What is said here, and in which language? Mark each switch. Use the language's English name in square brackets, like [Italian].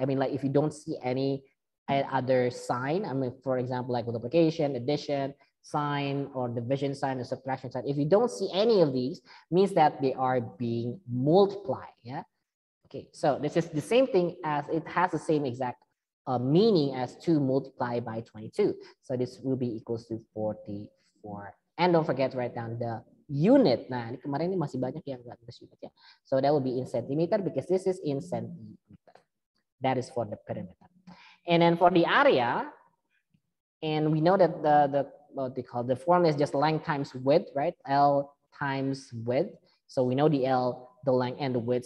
[English] I mean, like if you don't see any other sign, I mean, for example, like multiplication, addition sign, or division sign, or subtraction sign, if you don't see any of these, means that they are being multiplied. Yeah. Okay, so this is the same thing, as it has the same exact meaning as 2 multiplied by 22. So this will be equals to 44. And don't forget to write down the unit. [Indonesian] Nah, ini kemarin ini masih banyak yang nggak ada unit ya. [English] So that will be in centimeter, because this is in centimeter. That is for the perimeter. And then for the area, and we know that the what they call the formula is just length times width, right? L times width. So we know the L, the length, and the width.